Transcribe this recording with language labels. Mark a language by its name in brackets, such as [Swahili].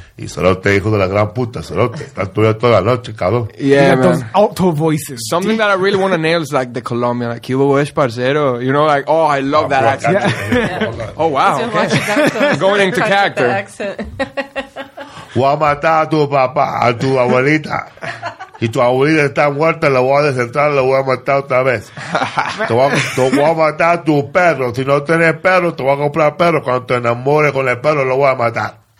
[Spanish] Y cerote, hijo de la gran puta, cerote. Está tuyo toda la noche, cabrón. [English] Yeah, man. Those alto voices. Something that I really want to nail is like the Colombian, like, [Spanish] ¿qué hubo, es parcero? [English] You know, like, oh, I love that accent. Yeah. Oh, wow. Okay. Accent, going into character. [Spanish] Voy a matar a tu papá, a tu abuelita. Y tu abuelita está muerta, la voy a desentrar, la voy a matar otra vez. Te voy a matar a tu perro. Si no tienes perro, te voy a comprar perro. Cuando te enamores con el perro, lo voy a matar.